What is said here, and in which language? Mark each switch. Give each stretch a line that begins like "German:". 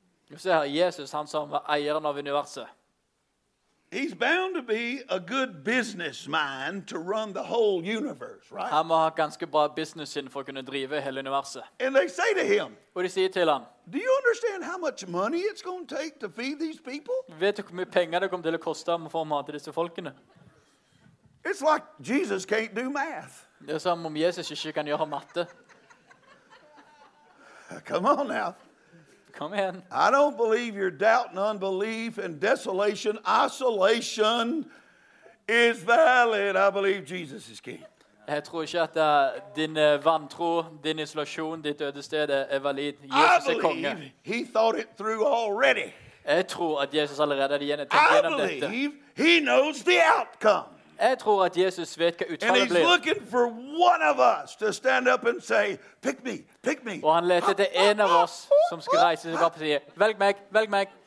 Norwegian: Du ser her, Jesus, han som eieren av universet.
English: He's bound to be a good business mind to run the whole universe, right?
Norwegian: Han må ha ganske bra businessen for å kunne drive hele universet.
English: And they say to him,
Norwegian: og de sier til ham,
English: do you understand how much money it's going to take to feed these people?
Norwegian: Vet du hvor mye penger det kommer til å koste om å få mat til disse folkene?
English: It's like Jesus can't do math.
Norwegian: Det som om Jesus ikke kan gjøre matte.
English: Come on now. Come in. I don't believe your doubt and unbelief and desolation, isolation is valid. I believe Jesus is king.
Norwegian: Jeg tror ikke at din vantro, din isolasjon, ditt øde sted er valid. Jesus er konge.
English: I believe he thought it through already.
Norwegian: Jeg tror at Jesus allerede hadde tenkt gjennom dette.
English: I believe he knows the outcome.
Norwegian: Jeg tror at Jesus vet hva utfallet blir.
English: And he's looking for one of us to stand up and say, pick me, pick me.
Norwegian: Og han leter til en av oss som skal reise seg opp og si, velg meg, velg meg.